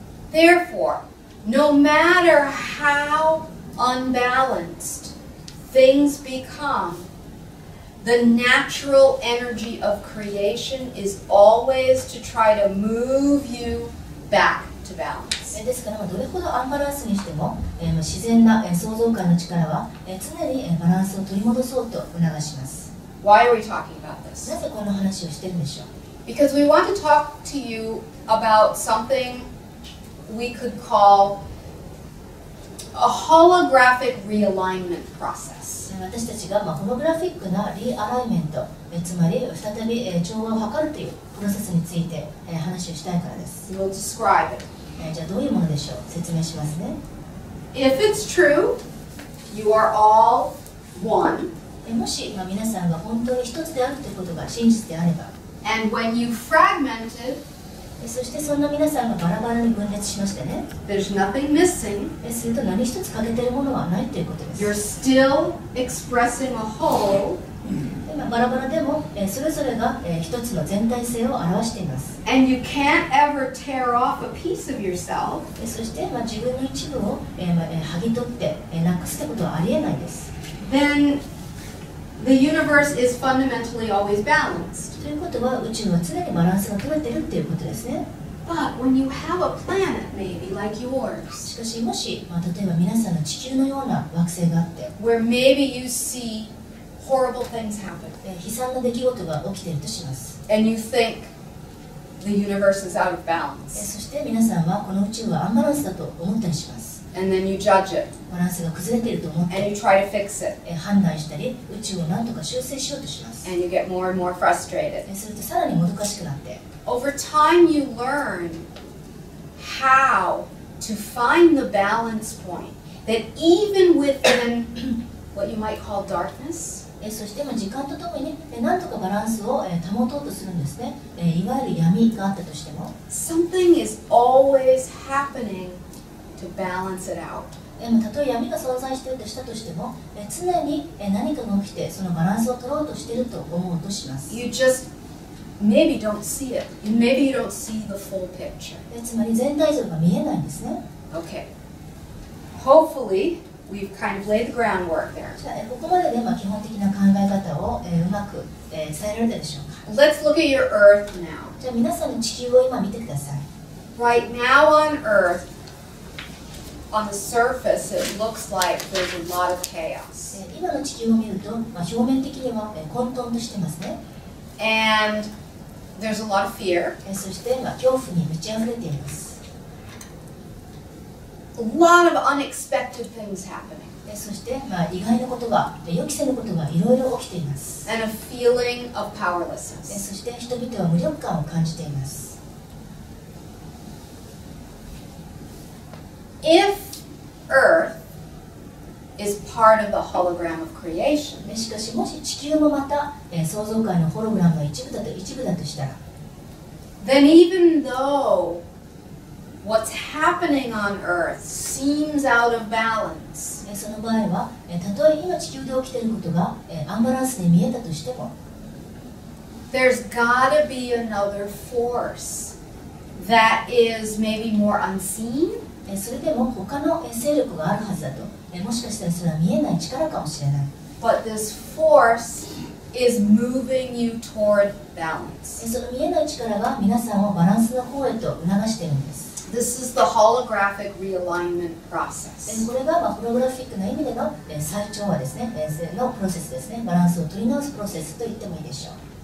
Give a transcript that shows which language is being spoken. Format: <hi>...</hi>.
<en>Therefore, no matter how unbalanced things become, the natural energy of creation is always to try to move you back to balance.</en> <ja>ですから、どれほどアンバランスにしても、自然な創造界の力は、常にバランスを取り戻そうと促します。</ja> <en>Why are we talking about this?</en> <ja>なぜこの話をしてるんでしょう?</ja> <en>Because we want to talk to you about something we could call a holographic realignment process.</en> <ja>私たちが、ホログラフィックなリアライメント、つまり再び、調和を図るという。プロセスについて、話をしたいからです。</ja> <en>We'll describe it.</en> <ja>じゃあどういうものでしょう? 説明しますね。</ja> <en>If it's true, you are all one.</en> <ja>もし今皆さんが本当に一つであるということが真実であれば。</ja> <en>And when you fragmented,</en> <ja>そしてそんな皆さんがバラバラに分裂しましてね。</ja> <en>There's nothing missing.</en> <ja>すると何一つ欠けてるものはないということです。</ja> <en>You're still expressing a whole.</en> <ja>バラバラでも、それぞれが、一つの全体性を表しています。</ja> <en>And you can't ever tear off a piece of yourself.</en> <ja>そして、自分の一部を、剥ぎ取って、なくすってことはありえないです。</ja> <en>Then the universe is fundamentally always balanced.</en> <ja>ということは、宇宙は常にバランスが取れているということですね。</ja> <en>But when you have a planet, maybe like yours,</en> <ja>しかし、もし、例えば皆さんの地球のような惑星があって、</ja> <en>where maybe you seehorrible things happen.</en> <ja>悲惨な出来事が起きているとします。</ja> <en>And you think the universe is out of balance.</en> <ja>そして皆さんはこの宇宙はアンバランスだと思ったりします。</ja> <en>And then you judge it.</en> <ja>バランスが崩れていると思って。</ja> <en>And you try to fix it.</en> <ja>判断したり、宇宙を何とか修正しようとします。</ja> <en>And you get more and more frustrated.</en> <ja>するとさらにもどかしくなって。</ja> <en>Over time you learn how to find the balance point that even within what you might call darkness.</en> <ja>そして時間とともに何とかバランスを保とうとするんですね。いわゆる闇があったとしても。</ja> <en>Something is always happening to balance it out.</en> <ja>たとえ闇が存在しているとしたとしても、常に何かが起きてそのバランスを取ろうとしていると思うとします。</ja> <en>You just maybe don't see it. You maybe you don't see the full picture.</en> <ja>つまり全体像が見えないんですね。</ja> <en>Okay. Hopefully we've kind of laid the groundwork there.</en> <ja>じゃあここまでで基本的な考え方をうまく伝えられたでしょうか。</ja> <en>Let's look at your Earth now.</en> <ja>じゃあ皆さんの地球を今見てください。</ja> <en>Right now on Earth. On the surface, it looks like there's a lot of chaos.</en> <ja>今の地球を見ると、表面的には混沌としてますね。</ja> <en>And there's a lot of fear.</en> <ja>そして、恐怖に満ち溢れています。</ja> <en>A lot of unexpected things happening.</en> <ja>そして、意外なことが、予期せぬことがいろいろ起きています。</ja> <en>And a feeling of powerlessness.</en> <ja>そして、人々は無力感を感じています。</ja> <en>If Earth is part of the hologram of creation,</en> <ja>しかしもし地球もまた創造界のホログラムの一部だとしたら、</ja> <en>then even though what's happening on Earth seems out of balance,</en> <ja>その場合は、たとえ今地球で起きていることがアンバランスに見えたとしても、</ja> <en>there's gotta be another force that is maybe more unseen.</en> <ja>それでも他の勢力があるはずだと、もしかしたらそれは見えない力かもしれない。</ja> <en>But this force is moving you toward balance.</en> <ja>その見えない力が皆さんをバランスの方へと促しているんです。</ja> <en>This is the holographic realignment process.</en> <ja>これがホログラフィックな意味での再調和ですね、のプロセスですね、バランスを取り直すプロセスと言ってもいいでしょう。</ja>